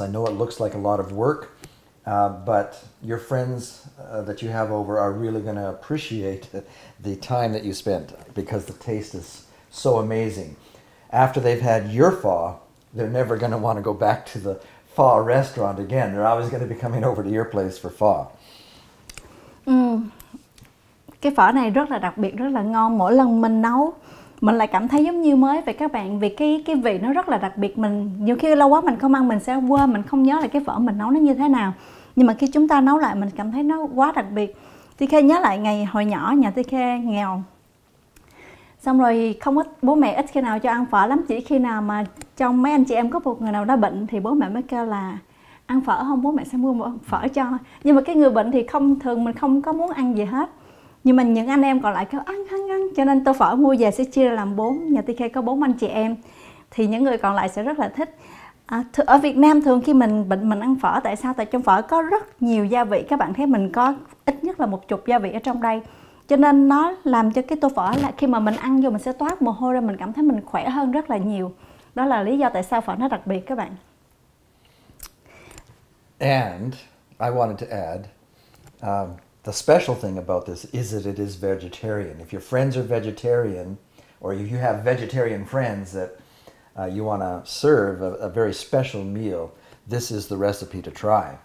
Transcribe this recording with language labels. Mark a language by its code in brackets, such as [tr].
[en] I know it looks like a lot of work, but your friends that you have over are really going to appreciate the time that you spent because the taste is so amazing. After they've had your pho, they're never going to want to go back to the pho restaurant again. They're always going to be coming over to your place for pho. [vi] Cái phở này rất là đặc biệt, rất là ngon. Mỗi lần mình nấu, mình lại cảm thấy giống như mới vậy các bạn. Vì cái vị nó rất là đặc biệt. Mình nhiều khi lâu quá mình không ăn, mình sẽ quên, mình không nhớ là cái phở mình nấu nó như thế nào. Nhưng mà khi chúng ta nấu lại, mình cảm thấy nó quá đặc biệt. Thì khi nhớ lại ngày hồi nhỏ, nhà Thi Khe nghèo. Xong rồi không có, bố mẹ ít khi nào cho ăn phở lắm, chỉ khi nào mà trong mấy anh chị em có một người nào đó bệnh thì bố mẹ mới kêu là ăn phở không, bố mẹ sẽ mua phở cho. Nhưng mà cái người bệnh thì không, thường mình không có muốn ăn gì hết. Nhưng mà những anh em còn lại kêu ăn ăn, cho nên tô phở mua về sẽ chia làm bốn. Nhà TK có bốn anh chị em thì những người còn lại sẽ rất là thích. Ở Việt Nam thường khi mình bệnh mình ăn phở, tại sao? Tại trong phở có rất nhiều gia vị, các bạn thấy mình có ít nhất là một chục gia vị ở trong đây, cho nên nó làm cho cái tô phở là khi mà mình ăn vô mình sẽ toát mồ hôi ra, mình cảm thấy mình khỏe hơn rất là nhiều. Đó là lý do tại sao phở nó đặc biệt các bạn. [en] And I wanted to add, the special thing about this is that it is vegetarian. If your friends are vegetarian, or if you have vegetarian friends that you want to serve a very special meal, this is the recipe to try.